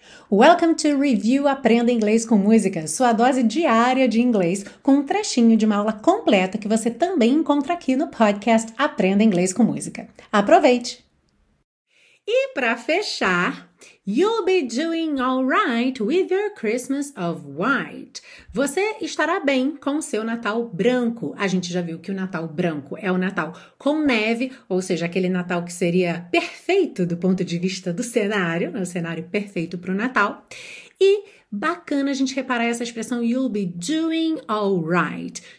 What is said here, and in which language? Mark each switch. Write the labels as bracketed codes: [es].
[en] Welcome to [pt] Review Aprenda Inglês com Música, sua dose diária de inglês, com um trechinho de uma aula completa que você também encontra aqui no podcast Aprenda Inglês com Música. Aproveite! E para fechar, [en] you'll be doing all right with your Christmas of white. [pt] Você estará bem com o seu Natal branco. A gente já viu que o Natal branco é o Natal com neve, ou seja, aquele Natal que seria perfeito do ponto de vista do cenário, o cenário perfeito para o Natal. E bacana a gente reparar essa expressão [en] you'll be doing all right.